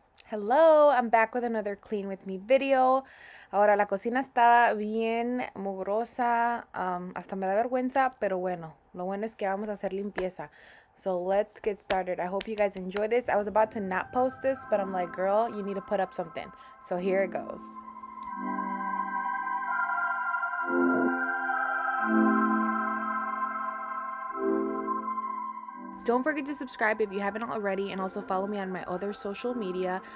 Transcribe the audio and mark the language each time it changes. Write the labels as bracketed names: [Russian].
[English] Hello, I'm back with another clean with me video. [Spanish] Ahora la cocina está bien mugrosa, hasta me da vergüenza, pero bueno, lo bueno es que vamos a hacer limpieza. [English] So let's get started. I hope you guys enjoy this. I was about to not post this, but I'm like, girl, you need to put up something. So here it goes. Don't forget to subscribe if you haven't already, and also follow me on my other social media.